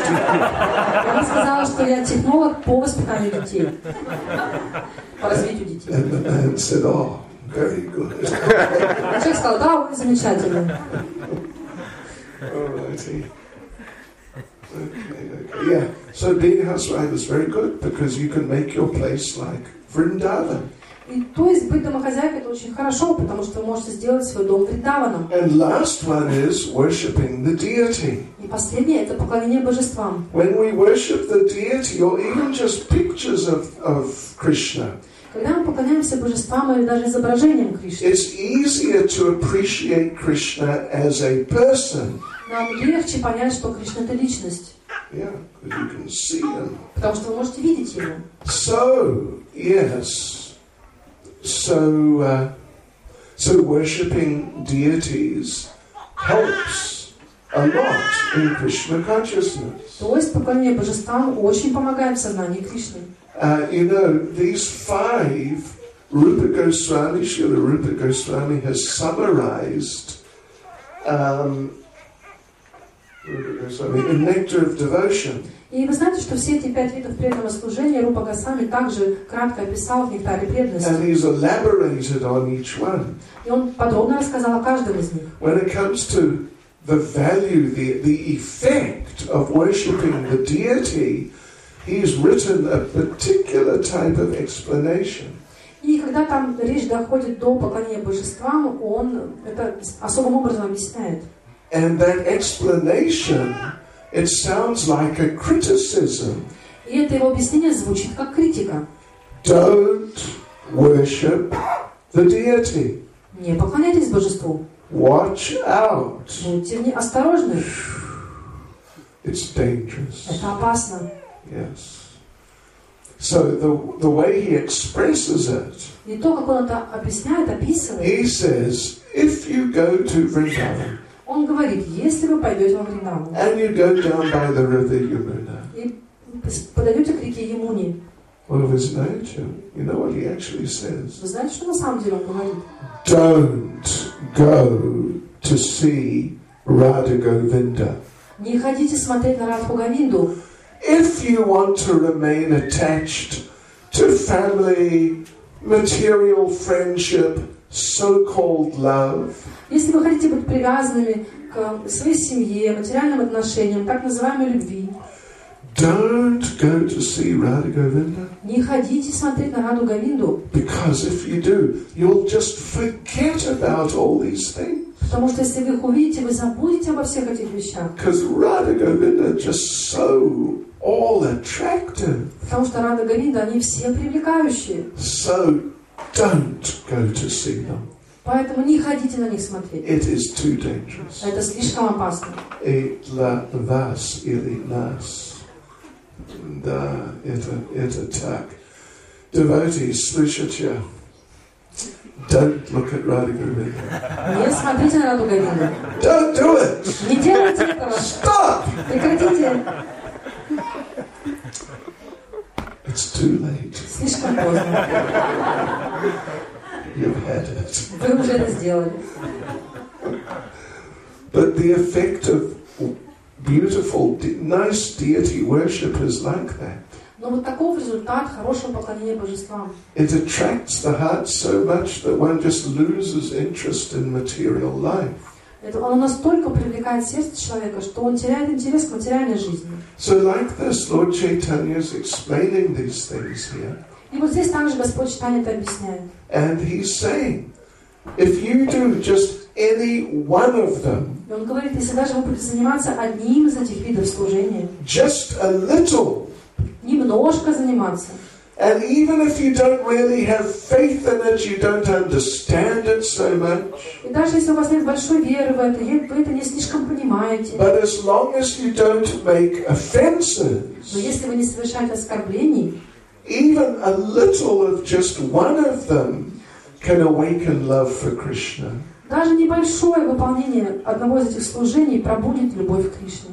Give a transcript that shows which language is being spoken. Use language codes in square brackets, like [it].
[ru] Она сказала, что я технолог по воспитанию детей. По развитию детей. [en] And the man said, very good. [ru] А человек сказал, да, вы замечательный. [en] Okay. Yeah. So being a housewife is very good because you can make your place like Vrindavan. [ru] И то есть быть домохозяйкой это очень хорошо, потому что вы можете сделать свой дом Вриндаваном. [en] And last one is worshiping the deity. [ru] И последнее это поклонение божествам. [en] When we worship the deity, or even just pictures of Krishna. [ru] Когда мы поклоняемся божествам или даже изображениям Кришны. [en] It's easier to appreciate Krishna as a person. [ru] Нам легче понять, что Кришна это личность. [en] Yeah, because you can see him. [ru] Потому что вы можете видеть его. [en] So, yes. So worshiping deities helps a lot in Krishna consciousness. [ru] То есть поклонение божествам очень помогает в сознании Кришны. [en] You know, these five, Rupa Goswami, Srila Rupa Goswami has summarized in Nectar of Devotion. [ru] И вы знаете, что все эти пять видов преданного служения Рупа Гасами также кратко описал в Нектаре преданности. [en] And he's elaborated on each one. [ru] И он подробно рассказал о каждом из них. [en] When it comes to the value, the effect of worshipping the deity, he's written a particular type of explanation. [ru] И когда там речь доходит до поклонения божествам, он это особым образом объясняет. [en] And that explanation It sounds like a criticism. [ru] И это его объяснение звучит как критика. [en] Don't worship the deity. [ru] Не поклоняйтесь божеству. [en] Watch out. [ru] Будьте неосторожны. [en] It's dangerous. [ru] Это опасно. [en] Yes. So the way he expresses it. [ru] И то, как он это объясняет, описывает. [en] He says, if you go to Vrindavan. [ru] Он говорит, если вы пойдете во Вриндаву. [en] And you go down by the river Yamuna. [ru] И подойдете к реке Ямуни. [en] Well, of his nature, you know what he actually says. [ru] Вы знаете, что на самом деле он говорит? [en] Don't go to see Radha Govinda. [ru] Не ходите смотреть на Радху Говинду. [en] If you want to remain attached to family, material friendship, so-called love. [ru] Если вы хотите быть привязанными к своей семье, материальным отношениям, так называемой любви. [en] Don't go to see Radha Govinda. [ru] Не ходите смотреть на Раду Говинду. [en] Because if you do, you'll just forget about all these things. [ru] Потому что если вы их увидите, вы забудете обо всех этих вещах. [en] Because Radha Govinda just so all attractive. [ru] Потому что Рада Говинда, они все привлекающие. [en] So don't go to see them. [ru] Поэтому не ходите на них смотреть. [en] It is too dangerous. [ru] Это слишком опасно. Для вас или нас. Да, это так. [en] Devotees, [ru] слышите? [en] Don't look at Radha Govinda. [ru] Не смотрите на Раду Говинду. [en] Don't do it. [ru] Не делайте этого. [en] Stop. [ru] Прекратите. [en] It's too late. [ru] Слишком поздно. [en] You've had it. [ru] Вы уже это сделали. [en] But the effect of beautiful, nice deity worship is like that. [ru] Но вот такой результат хорошего поклонения божествам. [en] It attracts the heart so much that one just loses interest in material life. [ru] Это оно настолько привлекает сердце человека, что он теряет интерес к материальной жизни. [en] So like this, Lord Chaitanya is explaining these things here. [ru] И вот здесь также Господь Читание это объясняет. [en] And he's saying, if you do just any one of them. [ru] И он говорит, если даже вы будете заниматься одним из этих видов служения. [en] Just a little. [ru] Немножко заниматься. [en] And even if you don't really have faith in it, you don't understand it so much. [ru] И даже если у вас нет большой веры в это, вы это не слишком понимаете. [en] But as long as you don't make offenses. [ru] Но если вы не совершаете оскорблений. [en] Even a little of just one of them can awaken love for Krishna. [ru] Даже небольшое выполнение одного из этих служений пробудит любовь к Кришне.